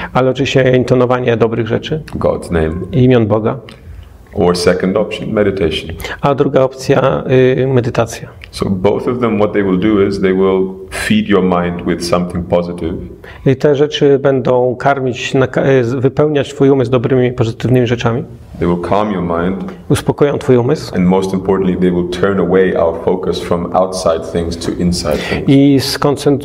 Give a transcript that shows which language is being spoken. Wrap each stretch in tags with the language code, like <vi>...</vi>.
<pl>Ale oczywiście intonowanie dobrych rzeczy.</pl> <en>God's name.</en> <pl>Imion Boga.</pl> <en>Or second option, meditation.</en> <pl>A druga opcja, medytacja.</pl> <en>So both of them, what they will do is they will feed your mind with something positive.</en> <pl>I te rzeczy będą karmić, wypełniać twój umysł dobrymi, pozytywnymi rzeczami.</pl> <en>They will calm your mind.</en> <pl>Uspokoją twój umysł.</pl> <en>And most importantly, they will turn away our focus from outside things to inside things.</en>